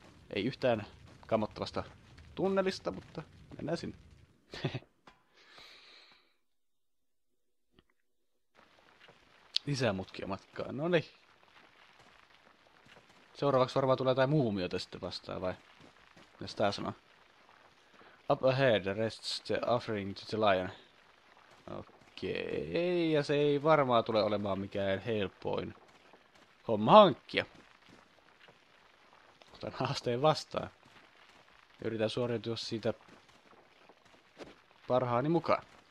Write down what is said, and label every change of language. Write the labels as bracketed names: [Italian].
[Finnish] Ei yhtään kamottavasta tunnelista, mutta mennään sinne. Lisää mutkia matkaa, no niin. Seuraavaksi varmaan tulee jotain muumiota sitten vastaan, vai? Mitäs tää sanoo? [English] Up ahead rests the offering to the lion. [Finnish] Okei, ja se ei varmaan tule olemaan mikään helpoin homma hankkia. Otan haasteen vastaan. Yritän suoriutua siitä parhaani mukaan.